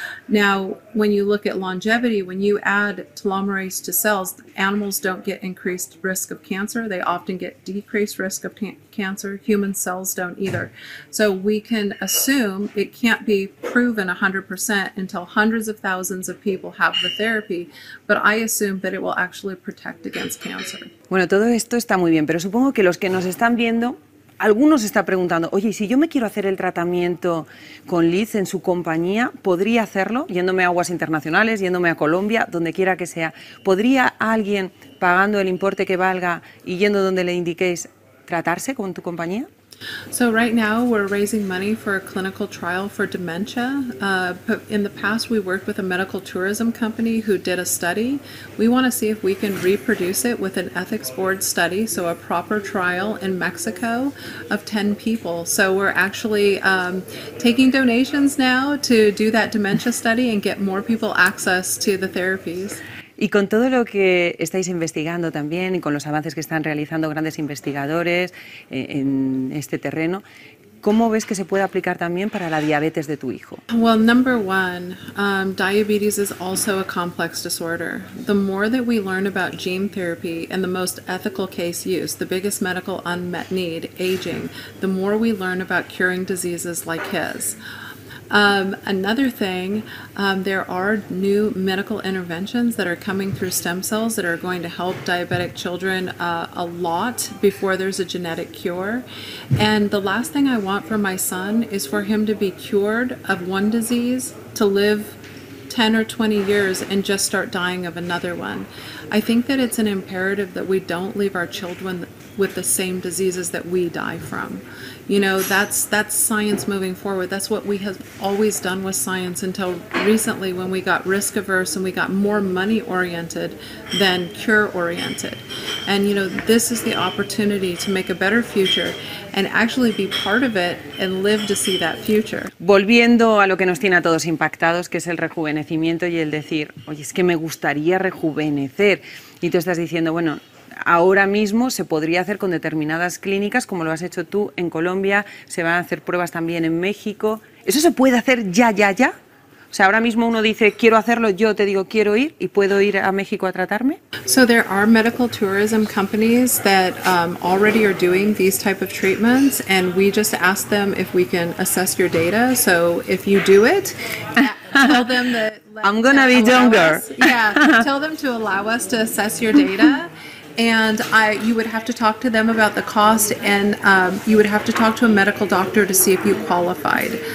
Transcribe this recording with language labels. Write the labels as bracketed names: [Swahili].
[English] Now, when you look at longevity, when you add telomerase to cells, animals don't get increased risk of cancer. They often get decreased risk of cancer. Human cells don't either. So we can assume it can't be proven 100% until hundreds of thousands of people have the therapy, but I assume that it will actually protect against cancer. [Spanish] Bueno, todo esto está muy bien, pero supongo que los que nos están viendo, algunos están preguntando, oye, si yo me quiero hacer el tratamiento con Liz en su compañía, ¿podría hacerlo? Yéndome a aguas internacionales, yéndome a Colombia, donde quiera que sea, ¿podría alguien pagando el importe que valga y yendo donde le indiquéis tratarse con tu compañía? [English] So right now we're raising money for a clinical trial for dementia. In the past we worked with a medical tourism company who did a study. We want to see if we can reproduce it with an ethics board study, so a proper trial in Mexico of 10 people. So we're actually taking donations now to do that dementia study and get more people access to the therapies. [Spanish] Y con todo lo que estáis investigando también y con los avances que están realizando grandes investigadores en este terreno, ¿cómo ves que se puede aplicar también para la diabetes de tu hijo? [English] Well, number one, diabetes is also a complex disorder. The more that we learn about gene therapy and the most ethical case use, the biggest medical unmet need, aging, the more we learn about curing diseases like his. Another thing, there are new medical interventions that are coming through stem cells that are going to help diabetic children a lot before there's a genetic cure. And the last thing I want for my son is for him to be cured of one disease, to live 10 or 20 years and just start dying of another one. I think that it's an imperative that we don't leave our children with the same diseases that we die from. You know, that's science moving forward. That's what we have always done with science until recently when we got risk averse and we got more money oriented than cure oriented. And you know, this is the opportunity to make a better future and actually be part of it and live to see that future. [Spanish] Volviendo a lo que nos tiene a todos impactados, que es el rejuvenecimiento y el decir, oye, es que me gustaría rejuvenecer. Y tú estás diciendo, bueno, ahora mismo se podría hacer con determinadas clínicas, como lo has hecho tú en Colombia, se van a hacer pruebas también en México. ¿Eso se puede hacer ya, ya, ya? O sea, ahora mismo uno dice, quiero hacerlo, yo te digo, quiero ir, ¿y puedo ir a México a tratarme? [English] So there are medical tourism companies that already are doing these type of treatments, and we just ask them if we can assess your data, so if you do it, tell them that... I'm gonna be younger. Yeah, tell them to allow us to assess your data. And you would have to talk to them about the cost, and you would have to talk to a medical doctor to see if you qualified.